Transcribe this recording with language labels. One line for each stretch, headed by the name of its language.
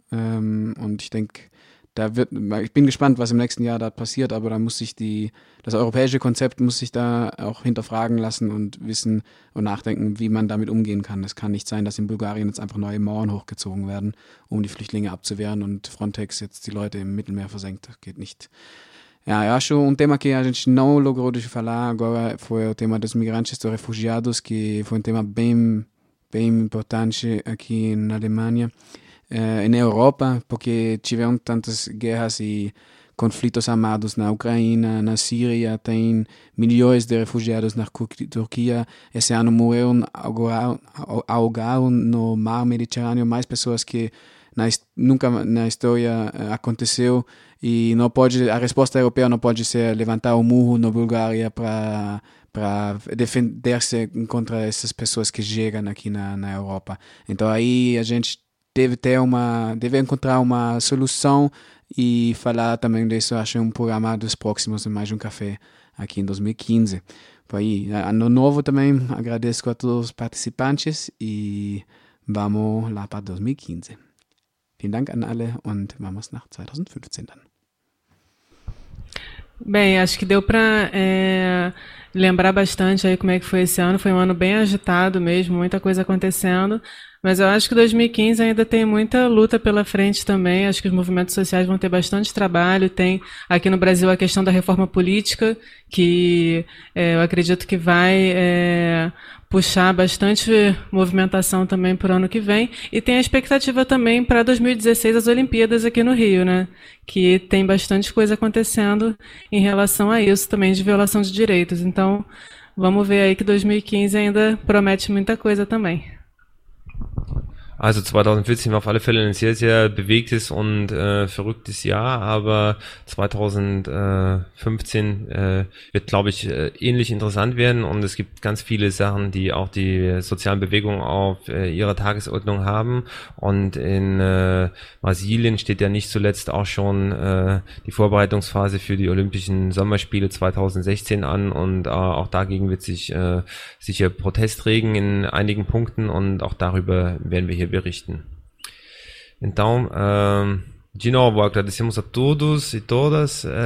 German: Und ich denke, ich bin gespannt, was im nächsten Jahr da passiert, aber da muss sich das europäische Konzept muss sich da auch hinterfragen lassen und wissen und nachdenken, wie man damit umgehen kann. Es kann nicht sein, dass in Bulgarien jetzt einfach neue Mauern hochgezogen werden, um die Flüchtlinge abzuwehren und Frontex jetzt die Leute im Mittelmeer versenkt. Das geht nicht.
Portuguese: Ja, ja, schon un tema que a gente não logrou de falar agora foi o tema dos migrantes, dos refugiados, que foi um tema bem, bem importante aqui na Alemanha. In Europa, porque tivemos tantas guerras e conflitos armados na Ucrânia, na Síria, tem milhões de refugiados na Turquia. Esse ano morreram, ahogaram no mar Mediterrâneo mais pessoas que nunca na história aconteceu. E não pode, a resposta europeia não pode ser levantar o muro na Bulgária para defender-se contra essas pessoas que chegam aqui na Europa. Então aí a gente deve encontrar uma solução e falar também disso, acho, em um programa dos próximos em Mais um Café, aqui em 2015. Foi ano novo também, agradeço a todos os participantes e vamos lá para 2015.
German: Vielen Dank an alle und
Portuguese: vamos
German: nach 2015 dann.
Portuguese: Bem, acho que deu para lembrar bastante aí como é que foi esse ano. Foi um ano bem agitado mesmo, muita coisa acontecendo. Mas eu acho que 2015 ainda tem muita luta pela frente também. Acho que os movimentos sociais vão ter bastante trabalho. Tem aqui no Brasil a questão da reforma política, que eu acredito que vai puxar bastante movimentação também para o ano que vem. E tem a expectativa também para 2016, as Olimpíadas aqui no Rio, né? Que tem bastante coisa acontecendo em relação a isso também, de violação de direitos. Então, vamos ver aí que 2015 ainda promete muita coisa também.
German: Also 2014 war auf alle Fälle ein sehr, sehr bewegtes und verrücktes Jahr, aber 2015 wird, glaube ich, ähnlich interessant werden und es gibt ganz viele Sachen, die auch die sozialen Bewegungen auf ihrer Tagesordnung haben und in Brasilien steht ja nicht zuletzt auch schon die Vorbereitungsphase für die Olympischen Sommerspiele 2016 an und auch dagegen wird sich sicher Protest regen in einigen Punkten und auch darüber werden wir hier berichten.
Portuguese: Então, de novo, agradecemos a todos e todas.